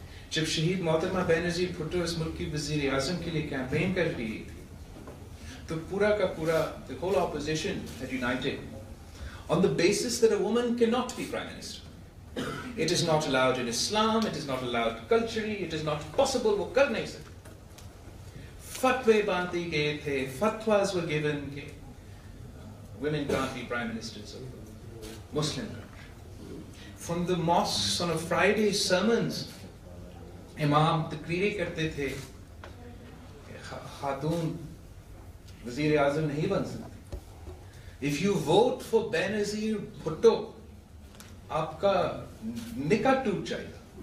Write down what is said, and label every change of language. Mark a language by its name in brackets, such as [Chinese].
[Urdu] جب شہید محترمہ بینرجی بھٹو اس ملک کی وزیر اعظم کے لیے کیمپین کر رہی تھی تو پورا کا پورا [English] the whole opposition had united on the basis that a woman cannot be prime minister. It is not allowed in Islam, it is not allowed culturally, it is not possible. [Urdu] وہ کر نہیں سکتے. فتوے باندھے گئے تھے, [English] fatwas were given [Urdu] کہ [English] women can't be prime ministers of Muslim country. From the mosques on a Friday sermons [Urdu] امام تقریر کرتے تھے خاتون وزیر اعظم نہیں بن سکتی. [English] If you vote for Benazir Bhutto [Urdu] آپ کا نکاح ٹوٹ جائے گا.